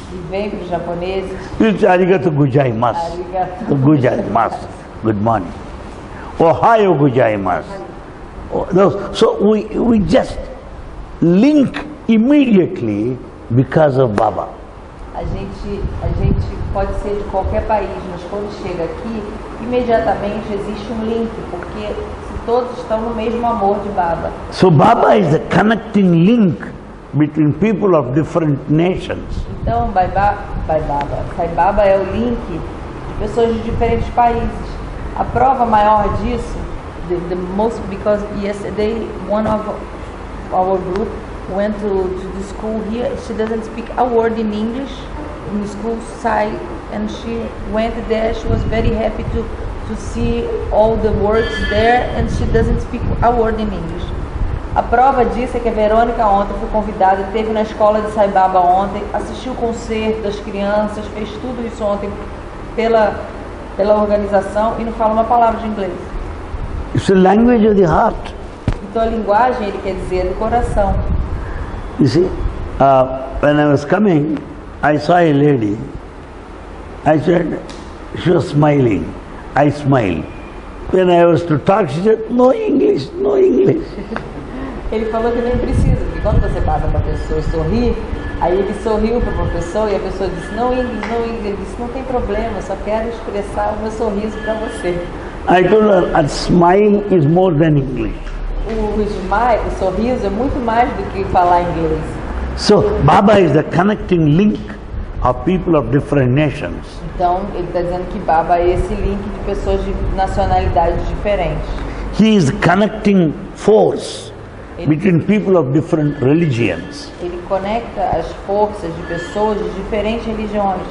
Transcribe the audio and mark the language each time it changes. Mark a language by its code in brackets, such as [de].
[pt] e vem para os japoneses, [en] you say [ja] arigato gozaimasu. Arigato gozaimasu. [en] Good morning. [ja] Ohayou gozaimasu. [en] So we just link immediately because of Baba. [pt] A gente pode ser de qualquer país, mas quando chega aqui, imediatamente existe um link, porque todos estão no mesmo amor de Baba. [en] So Baba is a connecting link between people of different nations. [pt] Então, Sai Baba é o link de pessoas de diferentes países. A prova maior disso, [en] the most, because yesterday one of our group went to the school here. She doesn't speak a word in English. In school, Sai, and she went there. She was very happy to see all the words there, and she doesn't speak a word in English. [pt] A prova disso é que a Verônica ontem foi convidada, esteve na escola de Sai Baba ontem, assistiu o concerto das crianças, fez tudo isso ontem pela organização e não fala uma palavra de inglês. [en] It's a language of the heart. [pt] Então a linguagem, ele quer dizer, é do coração. [en] You see, when I was coming, I saw a lady. I said, she was smiling. I smiled. When I was to talk, she said, no English, no English. [pt] Ele falou que nem precisa, porque quando você passa para a pessoa sorrir, aí ele sorriu para a professora e a pessoa disse, [en] no English, no English. [pt] Ele disse, não tem problema, só quero expressar o meu sorriso para você. [en] I told her, a smile is more than English. [pt] O sorriso é muito mais do que falar inglês. [en] So, Baba is the connecting link of people of different nations. [pt] Então, ele está dizendo que Baba é esse link de pessoas de nacionalidades diferentes. [en] He is connecting force between people of different religions. [pt] Ele conecta as forças de pessoas de diferentes religiões.